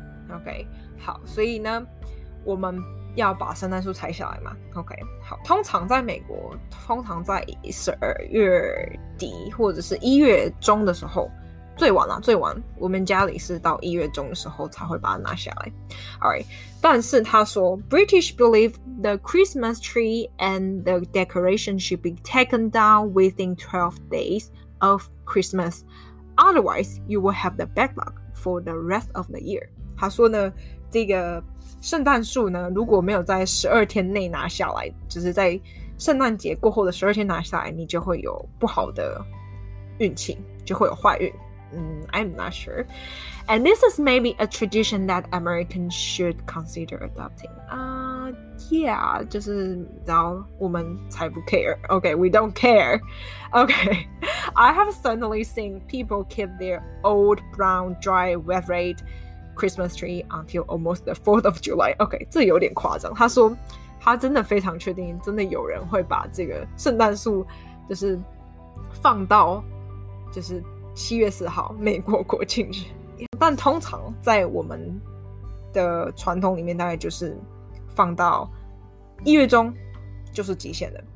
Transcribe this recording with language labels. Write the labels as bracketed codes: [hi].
[zh] Okay, 好，所以呢，我们要把圣诞树拆下来嘛。 Okay, 好，通常在美国，通常在12月底或者是1月中的时候，最晚了，最晚我们家里是到1月中的时候才会把它拿下来。 [en] All right, [zh] 但是他说 [en] British believe the Christmas tree and the decoration should be taken down within 12 days of Christmas. Otherwise, you will have the backlog for the rest of the year. [zh] 他说呢，这个圣诞树呢，如果没有在12天内拿下来，就是在圣诞节过后的12天拿下来，你就会有不好的运气，就会有坏运。 [en] I'm not sure. And this is maybe a tradition that Americans should consider adopting. [zh] Yeah, 就是然后我们才不 care. [en] Okay, we don't care. Okay, I have suddenly seen people keep their old, brown, dry, weathered Christmas tree until almost the 4th of July. [zh] Okay, 这有点夸张。他说他真的非常确定真的有人会把这个圣诞树就是放到就是7月4号，美国国庆日。但通常在我们的传统里面，大概就是放到1月中就是极限的。